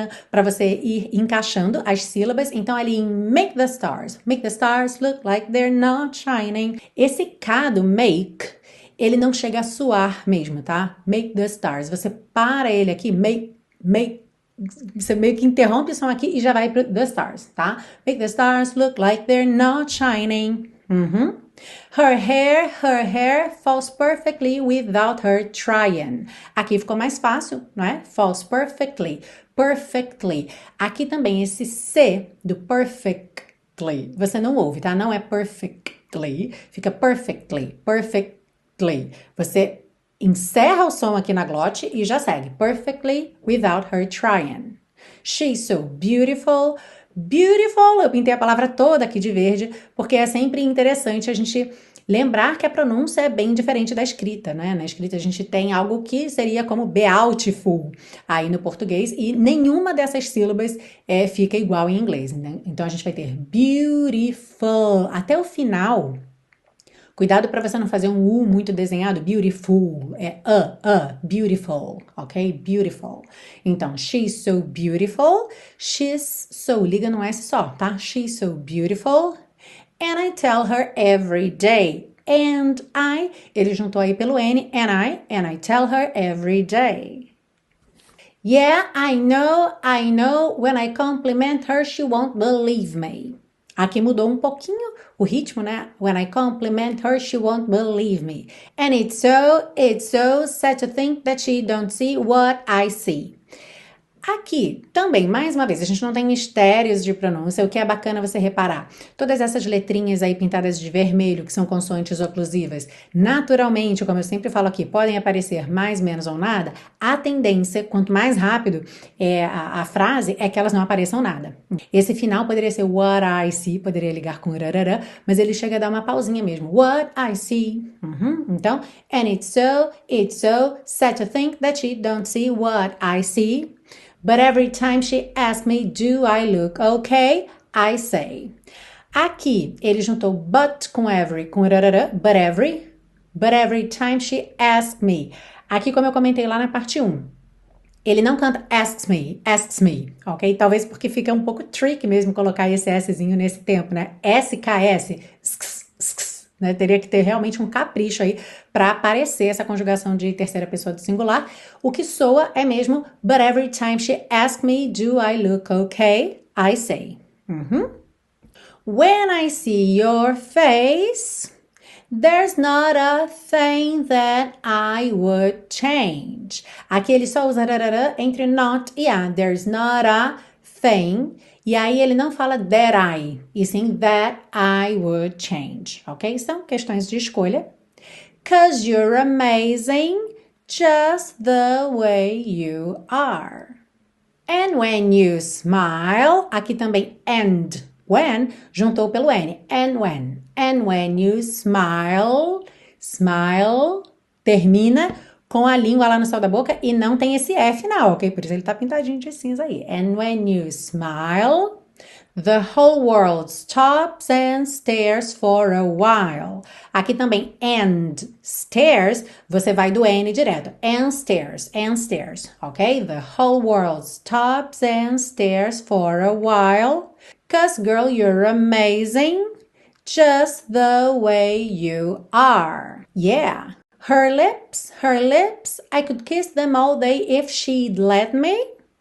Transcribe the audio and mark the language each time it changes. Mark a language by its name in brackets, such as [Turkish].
[Portuguese] Para você ir encaixando as sílabas. Então, ali em [English] make the stars look like they're not shining. [Portuguese] Esse cado, make, ele não chega a suar mesmo, tá? [English] Make the stars. [Portuguese] Você para ele aqui, make. Você meio que interrompe o som aqui e já vai pro the stars, tá? [English] Make the stars look like they're not shining. Her hair falls perfectly without her trying. [Portuguese] Aqui ficou mais fácil, não é? [English] Falls perfectly, perfectly. [Portuguese] Aqui também esse C do perfectly, você não ouve, tá? Não é perfectly, fica perfectly, perfectly. Você encerra o som aqui na glote e já segue. [English] Perfectly without her trying. She's so beautiful. [Portuguese] Beautiful. Eu pintei a palavra toda aqui de verde, porque é sempre interessante a gente lembrar que a pronúncia é bem diferente da escrita, né? Na escrita a gente tem algo que seria como beautiful aí no português e nenhuma dessas sílabas fica igual em inglês, né? Então a gente vai ter beautiful até o final. Cuidado para você não fazer um U muito desenhado, beautiful, é beautiful, ok? Beautiful. Então, [English] she's so beautiful, she's so, [Portuguese] liga no S só, tá? [English] She's so beautiful, and I tell her every day, and I, [Portuguese] ele juntou aí pelo N, [English] and I tell her every day. Yeah, I know, when I compliment her, she won't believe me. [Portuguese] Aqui mudou um pouquinho o ritmo, né? [English] When I compliment her, she won't believe me. And it's so sad to think that she don't see what I see. [Portuguese] Aqui, também, mais uma vez, a gente não tem mistérios de pronúncia, o que é bacana você reparar. Todas essas letrinhas aí pintadas de vermelho, que são consoantes oclusivas, naturalmente, como eu sempre falo aqui, podem aparecer mais, menos ou nada. A tendência, quanto mais rápido é a frase, é que elas não apareçam nada. Esse final poderia ser [English] what I see, [Portuguese] poderia ligar com rarara, mas ele chega a dar uma pausinha mesmo. [English] What I see. Então, and it's so sad to think that she don't see what I see. But every time she asks me, do I look okay? I say. [Portuguese] Aqui, ele juntou [English] but com every, com rarara, but every time she asks me. [Portuguese] Aqui, como eu comentei lá na parte 1, ele não canta asks me, ok? Talvez porque fica um pouco tricky mesmo colocar esse Szinho nesse tempo, né? SKS, Né? Teria que ter realmente um capricho aí para aparecer essa conjugação de terceira pessoa do singular. O que soa é mesmo, but every time she asks me, do I look okay? I say. [English] When I see your face, there's not a thing that I would change. [Portuguese] Aqui ele só usa rarara entre not e a. [English] There's not a thing. [Portuguese] E aí ele não fala that I, e sim that I would change. Ok? São questões de escolha. [English] 'Cause you're amazing just the way you are. And when you smile, [Portuguese] aqui também [English] and. [Portuguese] When, juntou pelo N, [English] and when you smile, smile, [Portuguese] termina com a língua lá no céu da boca e não tem esse F final, ok? Por isso ele tá pintadinho de cinza aí. [English] And when you smile, the whole world stops and stares for a while. [Portuguese] Aqui também, [English] and stares, [Portuguese] você vai do N direto, and stares, ok? [English] The whole world stops and stares for a while. 'Cause girl, you're amazing just the way you are. Yeah. Her lips, I could kiss them all day if she'd let me.